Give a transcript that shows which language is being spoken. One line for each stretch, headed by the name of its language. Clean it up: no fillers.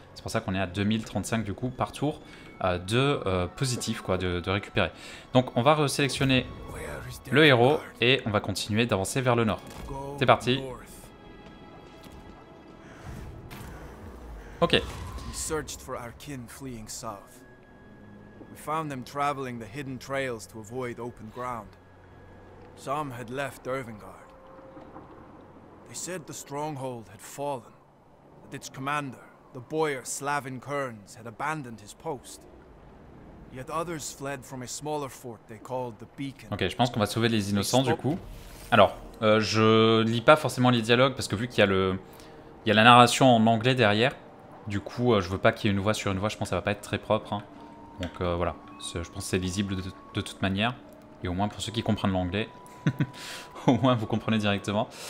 French: C'est pour ça qu'on est à 2035 du coup par tour positif quoi, de récupérer. Donc on va resélectionner le héros et on va continuer d'avancer vers le nord. C'est parti. Ok.
English: We searched for our kin fleeing south. We found them traveling the hidden trails to avoid open ground. Some had left Irvingard. They said the stronghold had fallen, that its commander, the boyar Slavin Kearns, had abandoned his post. Yet others fled from a smaller fort they called the Beacon.
French: Ok, je pense qu'on va sauver les innocents du coup. Alors, je lis pas forcément les dialogues parce que vu qu'il y a la narration en anglais derrière, du coup, je veux pas qu'il y ait une voix sur une voix. Je pense que ça va pas être très propre. Hein. Donc voilà, je pense que c'est lisible de toute manière. Et au moins pour ceux qui comprennent l'anglais, au moins vous comprenez directement.